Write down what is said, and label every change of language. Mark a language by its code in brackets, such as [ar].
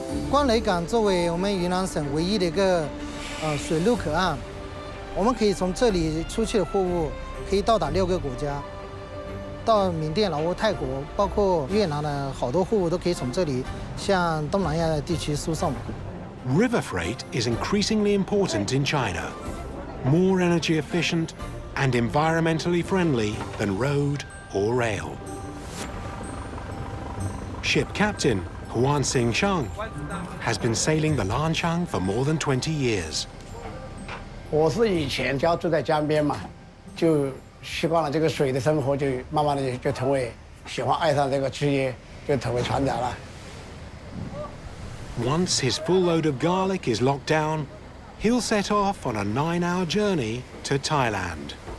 [zh] 关雷港作为我们云南省唯一的一个水路口岸，我们可以从这里出去的货物可以到达六个国家，到缅甸、老挝、泰国，包括越南的好多货物都可以从这里向东南亚地区输送。 [en] River freight is increasingly important in China, more energy efficient and environmentally friendly than road or rail. Ship captain. Huan Xinjiang has been sailing the Lanchang for more than 20 years. [zh] 我是以前家住在江边嘛，就习惯了这个水的生活，就慢慢的就成为喜欢爱上这个职业，就成为船长了。 [en] Once his full load of garlic is locked down, he'll set off on a nine-hour journey to Thailand.